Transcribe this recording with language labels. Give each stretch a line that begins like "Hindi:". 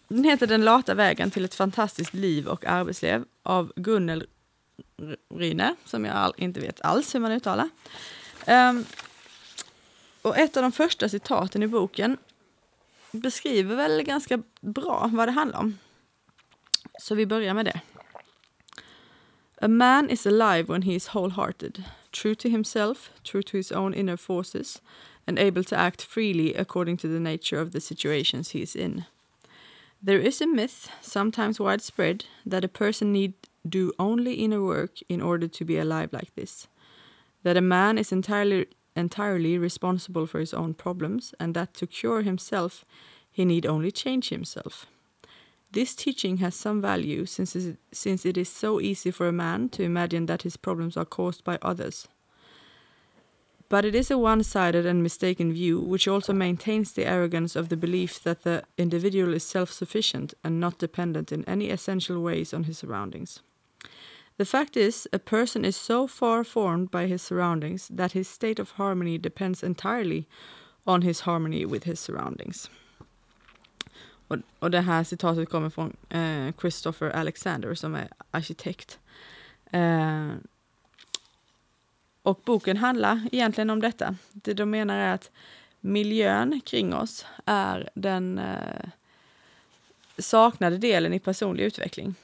Swedish: Den heter Den lata vägen till ett fantastiskt liv och arbetsliv av Gunnel Ryne, som jag inte vet alls hur man uttalar. Och ett av de första citaten i boken beskriver väl ganska bra vad det handlar om. Så vi börjar med det.
English: A man is alive when he is wholehearted, true to himself, true to his own inner forces, and able to act freely according to the nature of the situations he is in. There is a myth, sometimes widespread, that a person need do only inner work in order to be alive like this. That a man is entirely responsible for his own problems, and that to cure himself, he need only change himself. This teaching has some value, since it is so easy for a man to imagine that his problems are caused by others. But it is a one-sided and mistaken view, which also maintains the arrogance of the belief that the individual is self-sufficient and not dependent in any essential ways on his surroundings. The fact is, a person is so far formed by his surroundings that his state of harmony depends entirely on his harmony with his surroundings.
Swedish: Och det här citatet kommer från Christopher Alexander, som är arkitekt. Och boken handlar egentligen om detta. Det de menar är att miljön kring oss är den saknade delen i personlig utveckling.